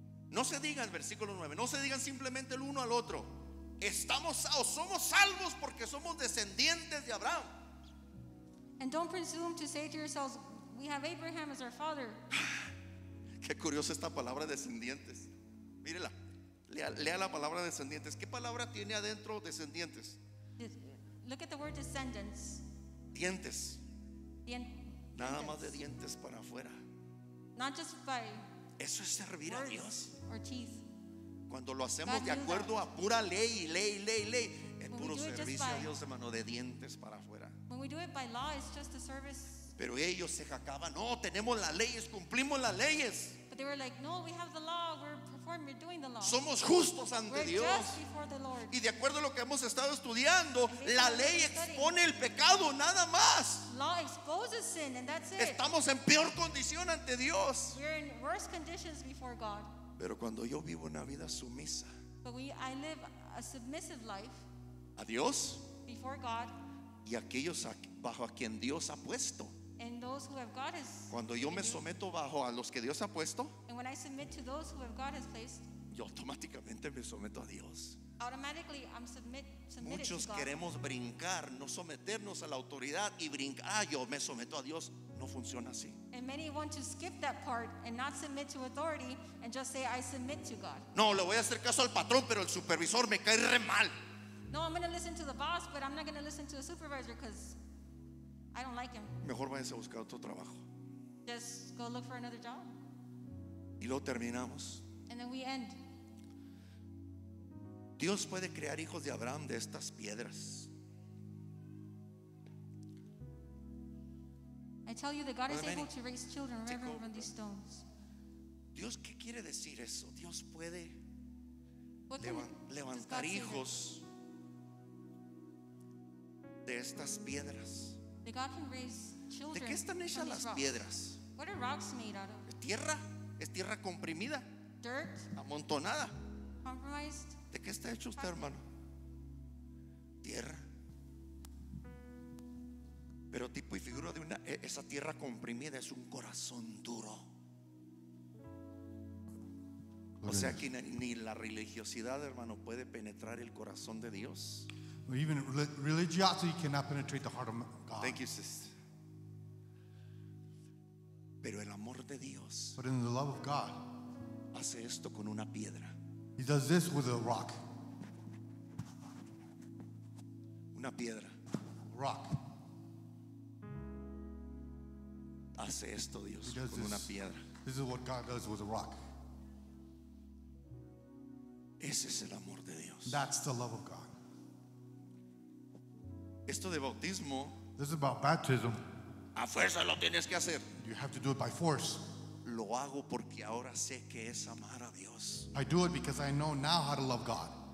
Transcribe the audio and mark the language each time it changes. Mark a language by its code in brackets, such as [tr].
[es] No se diga el versículo 9, no se digan simplemente el uno al otro, estamos o somos salvos porque somos descendientes de Abraham. [en] And don't presume to say to yourselves, we have Abraham as our father. [es] Qué curiosa esta palabra descendientes. Mírela. Lea la palabra descendientes. ¿Qué palabra tiene adentro descendientes? [en] Look at the word descendants. [es] Dientes. Dientes. Nada más de dientes para afuera. [en] Not just by. [es] Eso es servir a Dios. [en] Or teeth. [es] Cuando lo hacemos de acuerdo a pura ley. Puro servicio a Dios, hermano, de dientes para afuera. [en] When we do it by law, it's just a service. [es] Pero ellos se jacaban, no, tenemos las leyes, cumplimos las leyes. [en] But they were like, no, we have the law, we're performing, we're doing the law. [es] Somos justos ante [en] we're [es] Dios. [en] Just before the Lord. [es] Y de acuerdo a lo que hemos estado estudiando, la ley expone el pecado, nada más. [en] Law exposes sin, and that's it. [es] Estamos en peor condición ante Dios. [en] We're in worse conditions before God. [es] Pero cuando yo vivo una vida sumisa, [en] but I live a submissive life. [es] A Dios [en] before God, [es] y aquellos bajo a quien Dios ha puesto. [en] And those who have God has, [es] cuando yo me someto bajo a los que Dios ha puesto, [en] and when I submit to those who have God has placed, [es] yo automáticamente me someto a Dios. [en] Automatically I'm submitted. [es] Muchos [en] to [es] queremos [en] God. [es] Brincar, no someternos a la autoridad y brincar. Yo me someto a Dios. No funciona así. [en] And many want to skip that part and not submit to authority and just say I submit to God. [es] No, le voy a hacer caso al patrón, pero el supervisor me cae re mal. [en] No, I'm going to listen to the boss, but I'm not going to listen to the supervisor because I don't like him. [es] Mejor váyanse a buscar otro trabajo. [en] Just go look for another job. [es] Y luego terminamos. [en] And then we end. [es] Dios puede crear hijos de Abraham de estas piedras. [en] I tell you that God is able to raise children from these stones. [es] Dios, ¿qué quiere decir eso? Dios puede levantar hijos de estas piedras. [en] God can raise children. [es] ¿De qué están hechas las piedras? [en] What are rocks made out of? [es] ¿Tierra? ¿Es tierra comprimida? [en] Dirt? [es] ¿Amontonada? [en] Compromised? [es] ¿De qué está hecho usted, hermano? Tierra. Pero tipo y figura de una, esa tierra comprimida es un corazón duro. O sea que ni la religiosidad, hermano, puede penetrar el corazón de Dios. [en] Or even religiosity cannot penetrate the heart of God. Thank you, sister. [es] Pero el amor de Dios, [en] but in the love of God, [es] hace esto con una piedra. [en] He does this with a rock. [es] Una piedra. [en] Rock. [es] Hace esto Dios con this. Una piedra. [en] This is what God does with a rock. [es] Ese es el amor de Dios. [en] That's the love of God. [es] Esto de bautismo, [en] this is about baptism. [es] A fuerza lo tienes que hacer. [en] You have to do it by force. [es] Lo hago porque ahora sé que es amar a Dios. [en] I do it because I know now how to love God.